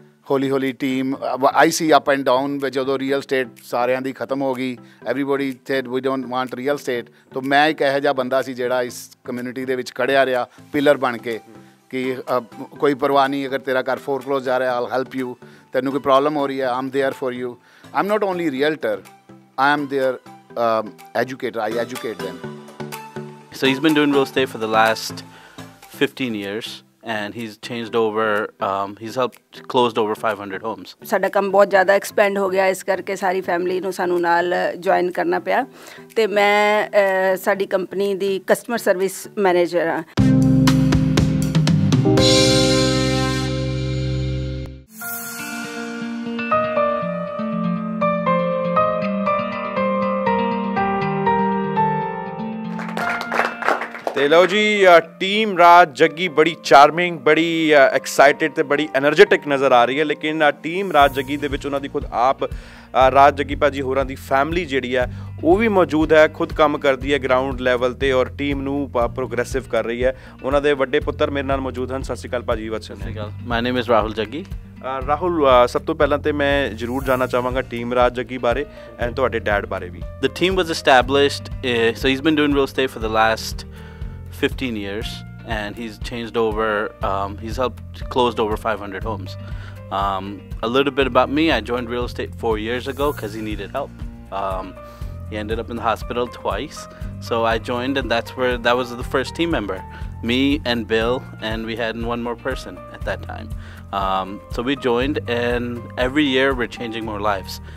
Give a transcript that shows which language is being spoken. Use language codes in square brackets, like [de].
[pa] ਹੌਲੀ ਹੌਲੀ team I ਸੀ [en] up and down, [pa] ਜਦੋਂ ਰੀਅਲ ਸਟੇਟ ਸਾਰਿਆਂ ਦੀ ਖਤਮ ਹੋ ਗਈ, [en] everybody said we don't want real estate, [pa] ਤੋ ਮੈਂ ਇੱਕ ਇਹੋ ਜਿਹਾ ਬੰਦਾ ਸੀ ਜਿਹੜਾ ਇਸ ਕਮਿਊਨਿਟੀ ਦੇ ਵਿੱਚ ਖੜਿਆ ਰਿਹਾ ਪਿੱਲਰ ਬਣ ਕੇ, ਕਿ ਕੋਈ ਪਰਵਾਹ ਨਹੀਂ ਅਗਰ ਤੇਰਾ ਘਰ ਫੋਰ ਕਲੋਜ਼ ਜਾ ਰਿਹਾ, [en] I'll help you, [pa] ਤੈਨੂੰ ਕੋਈ ਪ੍ਰੋਬਲਮ ਹੋ ਰਹੀ ਹੈ, [en] I'm there for you. I am not only realtor, I am their educator, I educate them. So he has been doing real estate for the last 15 years, and he's changed over, he's helped closed over 500 homes. [pa] ਸਾਡਾ ਕੰਮ ਬਹੁਤ ਜ਼ਿਆਦਾ expand ਹੋ ਗਿਆ ਇਸ ਕਰਕੇ ਸਾਰੀ family ਨੂੰ ਸਾਨੂੰ ਨਾਲ ਜੁਆਇਨ ਕਰਨਾ ਪਿਆ ਅਤੇ ਮੈਂ ਸਾਡੀ ਕੰਪਨੀ ਦੀ ਕਸਟਮਰ ਸਰਵਿਸ ਮੈਨੇਜਰ ਹਾਂ। ਅਤੇ ਲਓ ਜੀ ਟੀਮ ਰਾਜ ਜੱਗੀ ਬੜੀ ਚਾਰਮਿੰਗ ਬੜੀ ਐਕਸਾਈਟਿਡ ਅਤੇ ਬੜੀ ਐਨਰਜੈਟਿਕ ਨਜ਼ਰ ਆ ਰਹੀ ਹੈ, ਲੇਕਿਨ ਟੀਮ ਰਾਜ ਜੱਗੀ ਦੇ ਵਿੱਚ ਉਹਨਾਂ ਦੀ ਖੁਦ ਆਪ ਰਾਜ ਜੱਗੀ ਭਾਅ ਜੀ ਹੋਰਾਂ ਦੀ ਫੈਮਿਲੀ ਜਿਹੜੀ ਹੈ ਉਹ ਵੀ ਮੌਜੂਦ ਹੈ, ਖੁਦ ਕੰਮ ਕਰਦੀ ਹੈ ਗਰਾਊਂਡ ਲੈਵਲ 'ਤੇ ਔਰ ਟੀਮ ਨੂੰ ਪ੍ਰੋਗਰੈਸਿਵ ਕਰ ਰਹੀ ਹੈ। ਉਹਨਾਂ ਦੇ ਵੱਡੇ ਪੁੱਤਰ ਮੇਰੇ ਨਾਲ ਮੌਜੂਦ ਹਨ। ਸਤਿ ਸ਼੍ਰੀ ਅਕਾਲ ਭਾਅ ਜੀ, ਵਤਸ [en] My name is Rahul Jaggi. [pa] ਰਾਹੁਲ, ਸਭ ਤੋਂ ਪਹਿਲਾਂ ਤਾਂ ਮੈਂ ਜ਼ਰੂਰ ਜਾਣਨਾ ਚਾਹਾਂਗਾ ਟੀਮ ਰਾਜ ਜੱਗੀ ਬਾਰੇ ਐਂਡ ਤੁਹਾਡੇ ਡੈਡ ਬਾਰੇ ਵੀ। [en] The team was established, so he is been doing real estate for the last 15 years and he's changed over, he's helped closed over 500 homes. A little bit about me, I joined real estate 4 years ago because he needed help. He ended up in the hospital twice, so I joined, and that was the first team member, me and Bill, and we had one more person at that time. So we joined, and every year we're changing more lives.